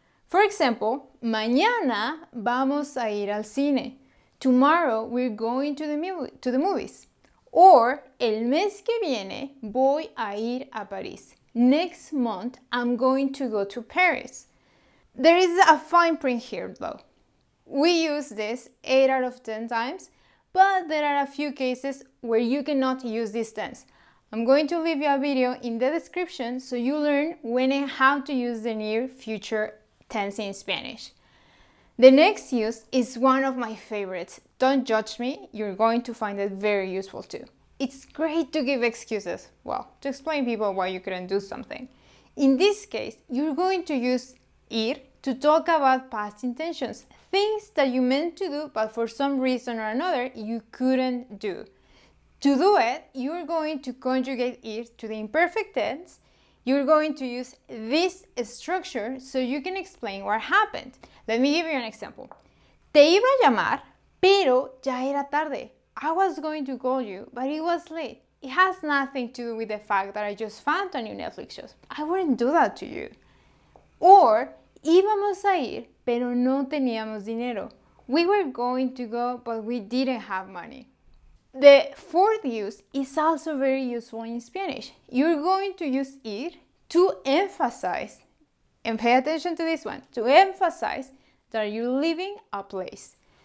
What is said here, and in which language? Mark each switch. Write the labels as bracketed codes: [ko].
[en] For example, [es] mañana vamos a ir al cine. [en] Tomorrow we're going to the movies. Or, [es] el mes que viene voy a ir a París. [en] Next month, I'm going to go to Paris. There is a fine print here though. We use this 8 out of 10 times, but there are a few cases where you cannot use this tense. I'm going to leave you a video in the description so you learn when and how to use the near future tense in Spanish. The next use is one of my favorites. Don't judge me, you're going to find it very useful too. It's great to give excuses, well, to explain people why you couldn't do something. In this case, you're going to use ir to talk about past intentions, things that you meant to do, but for some reason or another, you couldn't do. To do it, you're going to conjugate ir to the imperfect tense. You're going to use this structure so you can explain what happened. Let me give you an example. [es] Te iba a llamar, pero ya era tarde. [en] I was going to call you, but it was late. It has nothing to do with the fact that I just found a new Netflix show. I wouldn't do that to you. Or, [es] íbamos a ir, pero no teníamos dinero. [en] We were going to go, but we didn't have money. The fourth use is also very useful in Spanish. You're going to use ir to emphasize, and pay attention to this one, to emphasize that you're leaving a place.